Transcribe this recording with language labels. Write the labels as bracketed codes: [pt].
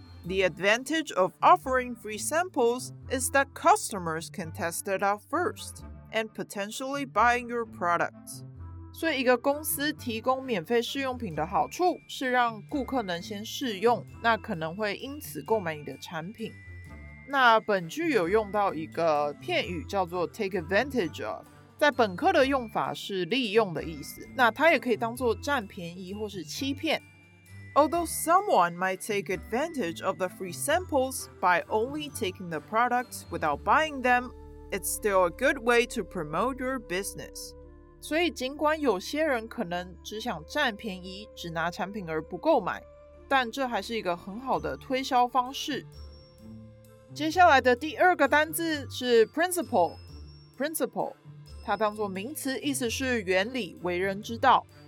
[en] The advantage of offering free samples is that customers can test it out first and potentially buying your product. [zh] 所以一个公司提供免费试用品的好处是让顾客能先试用，那可能会因此购买你的产品。那本句有用到一个片语叫做 [en] take advantage of， [zh] 在本课的用法是利用的意思，那它也可以当作占便宜或是欺骗。 [en] Although someone might take advantage of the free samples by only taking the products without buying them, it's still a good way to promote your business. [zh] 所以尽管有些人可能只想占便宜，只拿产品而不购买，但这还是一个很好的推销方式。接下来的第二个单字是 principle。principle 它当作名词，意思是原理、为人之道。